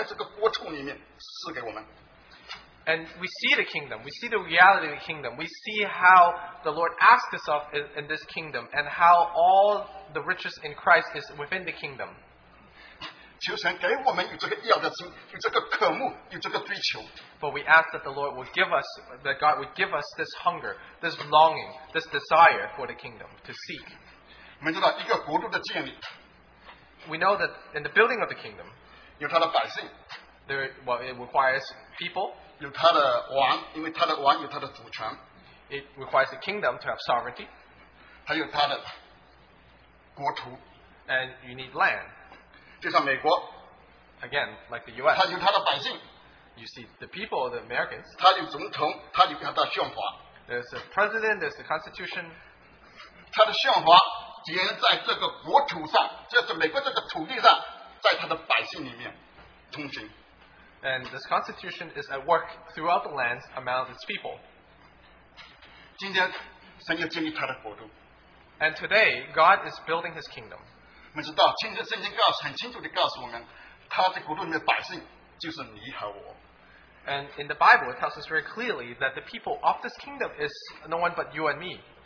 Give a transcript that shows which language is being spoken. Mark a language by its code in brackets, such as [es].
[zh] 我们神的恩典,我们看见这国度里面丰富,神的丰富,有形有体的在他儿子里面,都是在这个国土里面赐给我们。 [en] And we see the kingdom, we see the reality of the kingdom, we see how the Lord asks us of in this kingdom, and how all the riches in Christ is within the kingdom. [zh] 求神给我们有这个要的心,有这个渴慕,有这个追求。 [en] But we ask that the Lord would give us, that God would give us this hunger, this longing, this desire for the kingdom to seek. [zh] 我们知道一个国度的建立, [en] we know that in the building of the kingdom, [zh] 有他的百姓, [en] it requires people. [zh] 有他的王, 因为他的王有他的主权, [en] it requires the kingdom to have sovereignty. [zh] 还有他的国土, [en] and you need land. [zh] 就像美国, [en] Again, like the U.S. [zh] 他有他的百姓, [en] you see, the people, the Americans. [zh] 他有总统, 他有他的宪法, [en] there's a president, there's the constitution. [zh] 他的宪法,建在这个国土上, 就是美国这个土地上,在他的百姓里面通行。 [en] And this constitution is at work throughout the lands among its people. [zh] 今天,神要建立他的国度。 [en] And today, God is building his kingdom. [zh] 我们知道,清晨圣经告诉,很清楚地告诉我们,他的国度里面的百姓就是你和我。 [en] And in the Bible, it tells us very clearly that the people of this kingdom is no one but you and me.